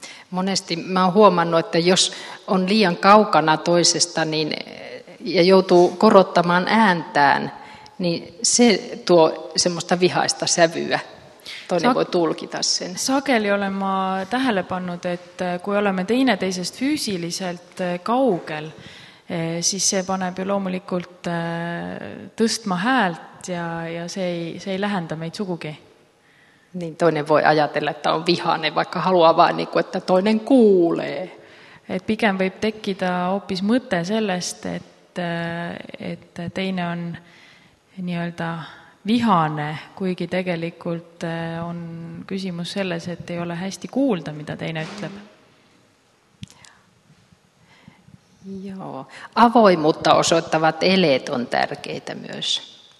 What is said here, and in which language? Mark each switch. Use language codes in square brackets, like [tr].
[fi] Monesti mä oon huomannut, että jos on liian kaukana toisesta niin, ja joutuu korottamaan ääntään, niin se tuo semmoista vihaista sävyä. Toinen voi tulkita sen. [et] Sageli olen ma tähele pannud, et kui oleme teine teisest füüsiliselt kaugel, siis see paneb ju loomulikult tõstma häält ja see ei lähenda meid sugugi. [fi] Niin toinen voi ajatella, että on vihane, vaikka haluaa vaan, että toinen kuulee. [et] Et pigem võib tekkida hoopis mõte sellest, et teine on nii-öelda vihane, kuigi tegelikult on küsimus selles, et ei ole hästi kuulda, mida teine ütleb. [fi] Joo. Avoimuutta osoittavat eleet on tärkeitä myös.